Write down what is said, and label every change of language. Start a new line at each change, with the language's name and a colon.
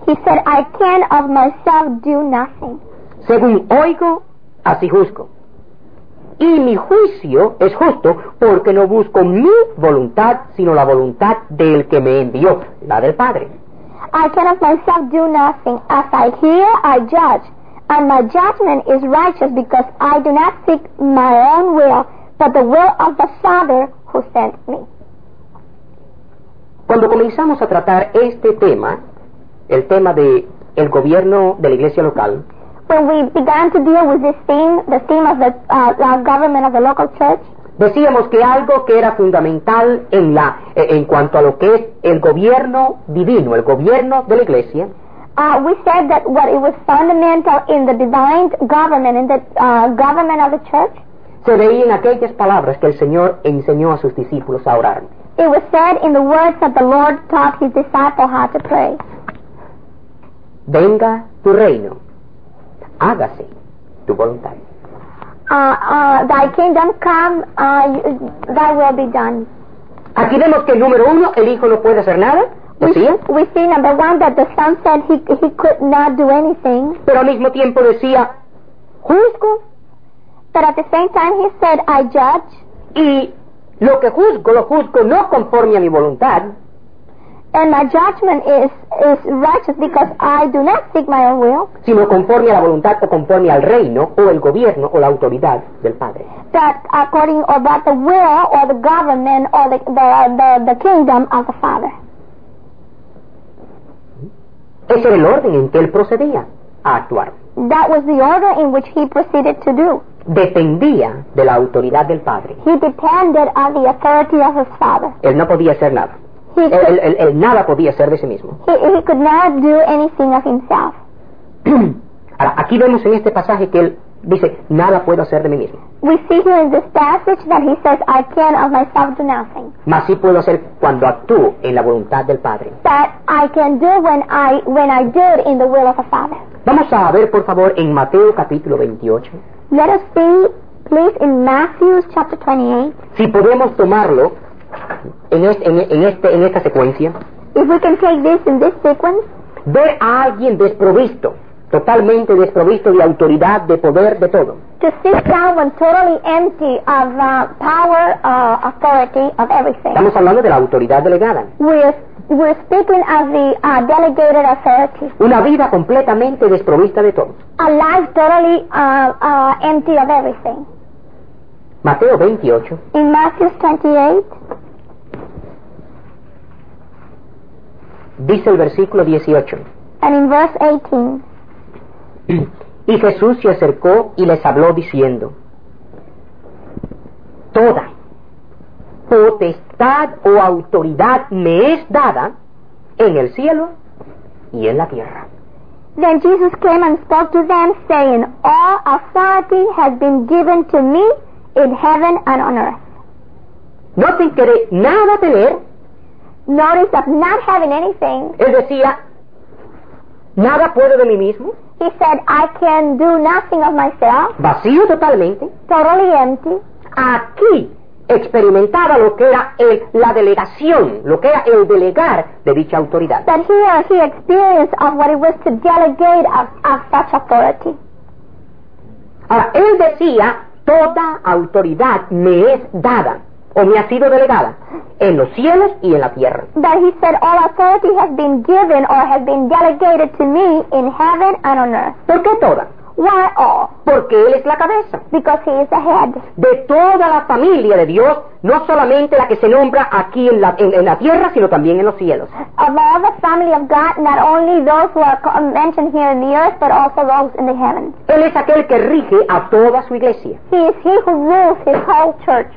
English: He said, I can of myself do nothing.
Spanish: Según oigo, así juzgo. Y mi juicio es justo porque no busco mi voluntad, sino la voluntad del que me envió, la del Padre.
English: I can of myself do nothing. As I hear, I judge. And my judgment is righteous because I do not seek my own will, but the will of the Father who sent me.
Spanish: Cuando comenzamos a tratar este tema, el tema del gobierno de la iglesia local,
English: when we began to deal with this theme, the theme of the government of the local church,
Spanish: Decíamos que algo que era fundamental en la en cuanto a lo que es el gobierno divino, el gobierno de la Iglesia.
English: We said that what it was fundamental in the divine government, in the government of the church.
Spanish: Se veía en aquellas palabras que el Señor enseñó a sus discípulos a orar.
English: It was said in the words that the Lord taught his disciples how to pray.
Spanish: Venga tu reino. Hágase tu voluntad.
English: Thy kingdom come, thy will be done.
Spanish: Aquí vemos que número uno, el hijo no puede hacer nada.
English: We see number one that the son said he could not do anything.
Spanish: Pero al mismo tiempo decía, juzgo.
English: But at the same time he said, I judge.
Spanish: Y lo que juzgo, lo juzgo no conforme a mi voluntad.
English: And my judgment is righteous because I do not seek my own will.
Spanish: Sino conforme a la voluntad o conforme al reino o el gobierno o la autoridad del Padre.
English: That according about the will or the government or the kingdom of the Father.
Spanish: Ese era el orden en que él procedía a actuar.
English: That was the order in which he proceeded to do.
Spanish: Dependía de la autoridad del Padre.
English: He depended on the authority of his Father.
Spanish: Él no podía hacer nada. Él nada podía hacer de sí mismo.
English: He could not do anything of himself.
Spanish: Ahora, aquí vemos en este pasaje que él dice, nada puedo hacer de mí mismo.
English: We see here in this passage that he says, I can of myself do nothing.
Spanish: Mas sí puedo hacer cuando actúo en la voluntad del Padre.
English: That I can do when I do it in the will of the Father.
Spanish: Vamos a ver, por favor, en Mateo capítulo 28.
English: Let us see, please, in Matthew chapter 28.
Spanish: Si podemos tomarlo en esta secuencia.
English: If we can take this in this sequence.
Spanish: Ver a alguien desprovisto. Totalmente desprovisto de autoridad, de poder, de todo.
English: To sit down totally empty of power, authority, of everything.
Spanish: Estamos hablando de la autoridad delegada.
English: We're speaking of the delegated authority.
Spanish: Una vida completamente desprovista de todo.
English: A life totally empty of everything.
Spanish: Mateo 28.
English: In Matthew 28.
Spanish: Dice el versículo 18.
English: And in verse 18.
Spanish: Y Jesús se acercó y les habló diciendo, toda potestad o autoridad me es dada en el cielo y en la tierra.
English: Then Jesus came and spoke to them, saying, all authority has been given to me in heaven and on earth.
Spanish: No te quiere nada tener.
English: Notice of not having anything.
Spanish: Él decía, nada puedo de mí mismo.
English: He said, I can do nothing of myself.
Spanish: Vacío totalmente.
English: Totally empty.
Spanish: Aquí experimentaba lo que era la delegación, lo que era el delegar de dicha autoridad.
English: But here he experienced of what it was to delegate of such authority.
Spanish: Ahora, él decía, toda autoridad me es dada, o me ha sido delegada, en los cielos y en la tierra.
English: But he said, all authority has been given or has been delegated to me in heaven and on earth.
Spanish: ¿Por qué toda?
English: Why all?
Spanish: Porque él es la cabeza.
English: Because he is the head.
Spanish: De toda la familia de Dios, no solamente la que se nombra aquí en la tierra, sino también en los cielos.
English: Of all the family of God, not only those who are mentioned here in the earth, but also those in the heavens.
Spanish: Él es aquel que rige a toda su iglesia.
English: He is he who rules his whole church.